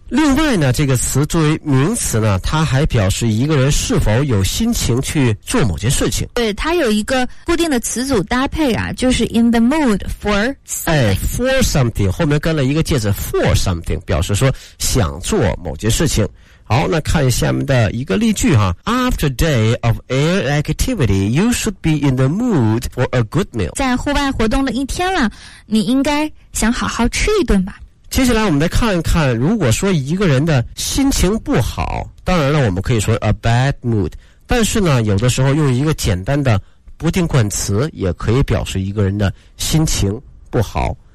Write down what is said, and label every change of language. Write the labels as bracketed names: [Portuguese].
[Chinese] 另外呢，这个词作为名词呢，它还表示一个人是否有心情去做某件事情。对，它有一个固定的词组搭配啊，就是 [English] in the mood for something。 [Chinese] 哎， [English] for something [Chinese] 后面跟了一个介词 for something， 表示说想做某件事情。好，那看下面的一个例句哈。 [English] After day of air activity, you should be in the mood for a good meal. [Chinese] 在户外活动了一天了，你应该想好好吃一顿吧。接下来我们来看一看，如果说一个人的心情不好，当然了我们可以说 [English] a bad mood， [Chinese] 但是呢有的时候用一个简单的不定冠词也可以表示一个人的心情不好。